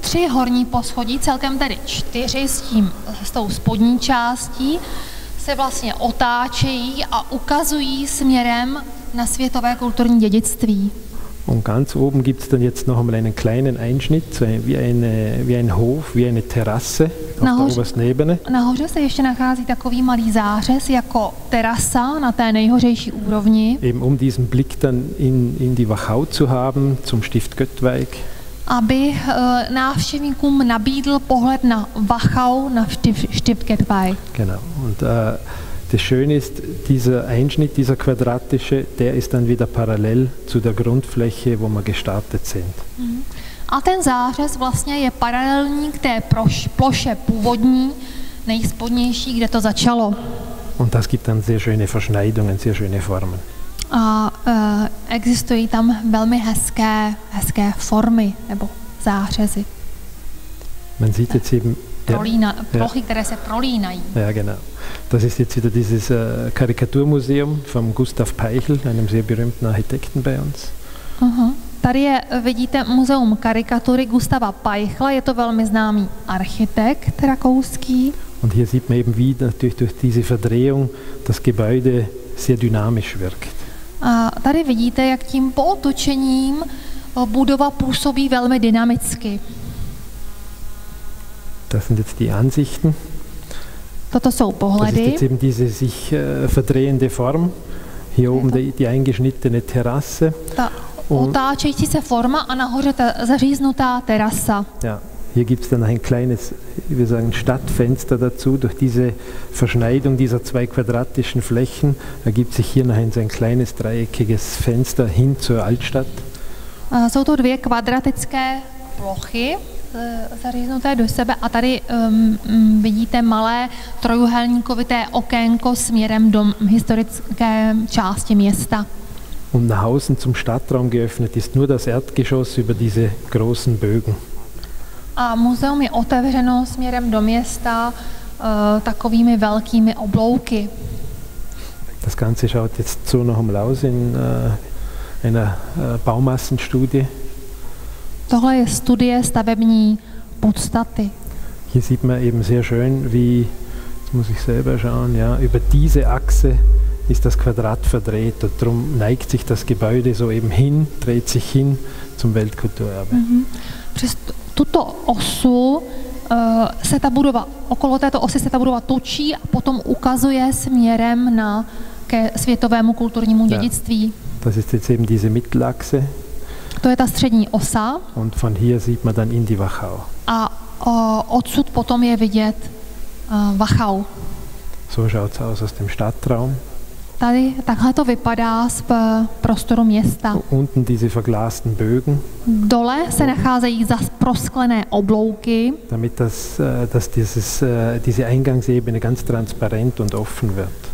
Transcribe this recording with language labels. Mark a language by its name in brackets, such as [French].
[Czech] Tři horní poschodí, celkem tedy čtyři s tím, s tou spodní částí, se vlastně otáčejí a ukazují směrem na světové kulturní dědictví. [German] Und ganz oben gibt es dann jetzt noch einmal einen kleinen Einschnitt, so wie ein Hof, wie eine Terrasse auf der obersten Ebene. [Czech] Nahoře se ještě nachází takový malý zářez jako terasa na té nejhořejší úrovni. [German] Eben um diesen Blick dann in die Wachau zu haben, zum Stift Göttweig. [Czech] Aby návštěvníkům nabídl pohled na Wachau, na Stift Göttweig. [German] Genau. Und das Schöne ist, dieser Einschnitt, dieser quadratische, der ist dann wieder parallel zu der Grundfläche, wo wir gestartet sind. [Czech] A ten zářez vlastně je paralelní k té ploše původní, nejspodnější, kde to začalo. [German] Und das gibt dann sehr schöne Verschneidungen, sehr schöne Formen. [Czech] A existují tam velmi hezké formy nebo zářezy. [German] Man sieht jetzt eben [Czech] Plochy, které se prolínají. [German] Ja, genau. Das ist jetzt wieder dieses Karikaturmuseum von Gustav Peichel, einem sehr berühmten Architekten bei uns. [Czech] Tady je, vidíte muzeum karikatury Gustava Peichla, je to velmi známý architekt rakouský. [German] Und hier sieht man eben wie durch diese Verdrehung das Gebäude sehr dynamisch wirkt. [Czech] A tady vidíte, jak tím pootočením budova působí velmi dynamicky. [German] Das sind jetzt die Ansichten. [Czech] Toto jsou pohledy. [German] Das ist jetzt eben diese sich verdrehende Form. Hier oben die eingeschnittene Terrasse. [Czech] Ta otáčející se forma a nahoře ta zaříznutá terasa. [German] Ja, hier gibt es dann ein kleines, wir sagen Stadtfenster dazu. Durch diese Verschneidung dieser zwei quadratischen Flächen ergibt sich hier noch ein kleines dreieckiges Fenster hin zur Altstadt. [Czech] A jsou to dvě kvadratické plochy. Zaříznuté do sebe a tady vidíte malé trojuhelníkovité okénko směrem do historické části města. [German] Und nach außen zum Stadtraum geöffnet ist nur das Erdgeschoss über diese großen Bögen. [Czech] A muzeum je otevřeno směrem do města takovými velkými oblouky. [German] Das Ganze schaut jetzt so noch mal aus in einer Baumassenstudie. [Czech] Tohle je studie stavební podstaty. [German] Hier sieht man eben sehr schön, wie, jetzt muss ich selber schauen, ja, über diese Achse ist das Quadrat verdreht und darum neigt sich das Gebäude so eben hin, dreht sich hin zum Weltkulturerbe. [Czech] Přes tuto osu se ta budova, okolo této osy se ta budova točí a potom ukazuje směrem na ke světovému kulturnímu dědictví. [German] Ja. Das ist jetzt eben diese Mittelachse. [Czech] To je ta střední osa. [German] Und von hier sieht man dann in die Wachau. [Czech] A odsud potom je vidět Wachau. [German] So schaut's aus aus dem Stadtraum. [Czech] Tady takhle to vypadá z prostoru města. [German] Unten diese verglasten Bögen. [Czech] Dole se nacházejí zas prosklené oblouky. [German] Damit dass diese Eingangsebene ganz transparent und offen wird.